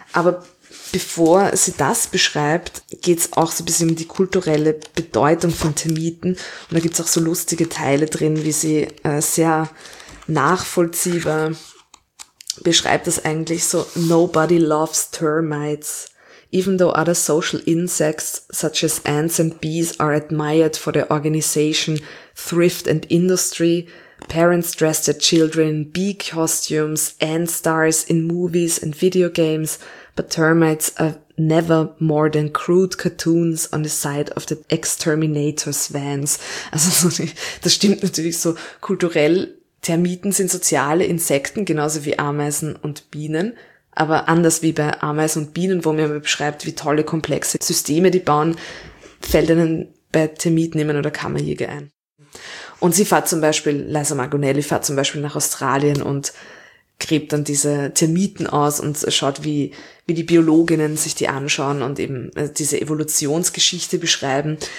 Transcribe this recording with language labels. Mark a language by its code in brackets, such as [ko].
[de] Aber bevor sie das beschreibt, geht es auch so ein bisschen um die kulturelle Bedeutung von Termiten. Und da gibt es auch so lustige Teile drin, wie sie sehr nachvollziehbar beschreibt, dass eigentlich so [en] nobody loves termites. Even though other social insects, such as ants and bees, are admired for their organization, thrift and industry, parents dress their children in bee costumes, ant stars in movies and video games, but termites are never more than crude cartoons on the side of the exterminators' vans. [de] Also, das stimmt natürlich so kulturell. Termiten sind soziale Insekten, genauso wie Ameisen und Bienen. Aber anders wie bei Ameisen und Bienen, wo man beschreibt, wie tolle, komplexe Systeme die bauen, fällt einem bei Termitnehmern oder Kammerjäger ein. Und sie fährt zum Beispiel, Liza Margonelli fährt zum Beispiel nach Australien und gräbt dann diese Termiten aus und schaut, wie die Biologinnen sich die anschauen und eben diese Evolutionsgeschichte beschreiben.